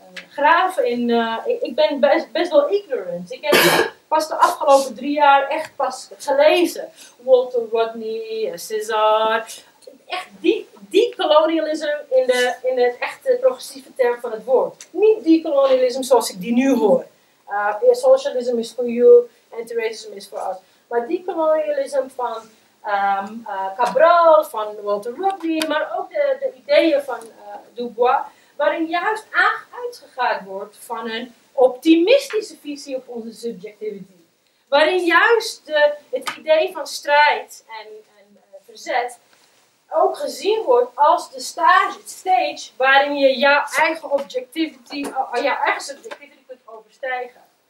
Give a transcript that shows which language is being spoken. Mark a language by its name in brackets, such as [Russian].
[Dutch] graven in... Ik ben best wel ignorant. Ik heb pas de afgelopen 3 jaar echt pas gelezen. Walter Rodney, César. Echt die kolonialisme in het echte progressieve term van het woord. Niet die kolonialisme zoals ik die nu hoor. [English] Socialism is for you, anti-racism is for us. [Dutch] Maar die kolonialisme van Cabral, van Walter Rodney, maar ook de ideeën van Dubois, waarin juist uitgegaan wordt van een optimistische visie op onze subjectivity. Waarin juist het idee van strijd en verzet ook gezien wordt als de stage waarin je jouw eigen subjectivity kunt overstijgen.